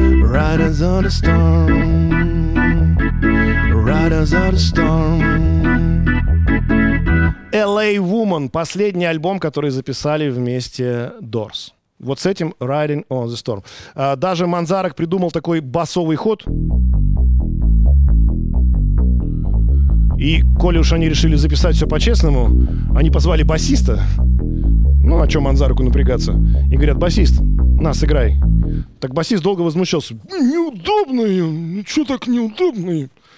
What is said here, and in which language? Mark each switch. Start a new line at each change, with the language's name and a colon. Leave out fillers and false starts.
English: Riders on the storm, riders on the storm.
Russian: LA Woman, последний альбом, который записали вместе Doors. Вот с этим Riding on the Storm. Даже Манзарек придумал такой басовый ход. И коли уж они решили записать все по-честному, они позвали басиста. Ну, а что Манзареку напрягаться? И говорят, басист, на, сыграй. Так басист долго возмущался. Неудобные, что так неудобные?